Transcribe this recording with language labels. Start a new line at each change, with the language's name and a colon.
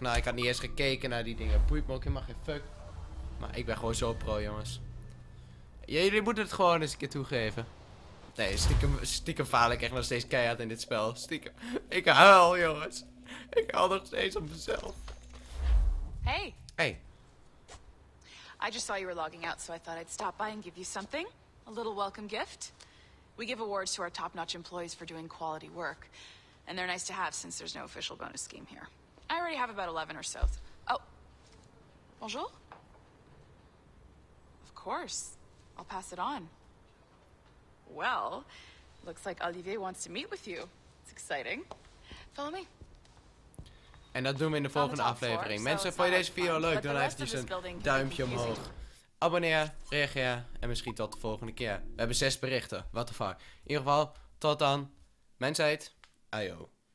Dutch: Nou, ik had niet eens gekeken naar die dingen. Boeit me ook helemaal geen fuck. Maar ik ben gewoon zo pro, jongens. Jullie moeten het gewoon eens een keer toegeven. Nee, stiekem faal ik echt nog steeds keihard in dit spel. Stiekem. Ik huil, jongens. Ik huil nog steeds op mezelf.
English: Hey. Hey. I just saw you were logging out, so I thought I'd stop by and give you something. A little welcome gift. We give awards to our top-notch employees for doing quality work. And they're nice to have since there's no official bonus scheme here. I already have about 11 or so. Oh. Bonjour. Of course. I'll pass it on. Well, looks like Olivier wants to meet with you. It's exciting. Follow me.
Dutch: En dat doen we in de volgende aflevering. Mensen, vond je deze video leuk? Doe dan eventjes een duimpje omhoog. Abonneer, reageer en misschien tot de volgende keer. We hebben 6 berichten.
English: What the fuck.
Dutch: In ieder geval, tot dan. Mensheid, ayo.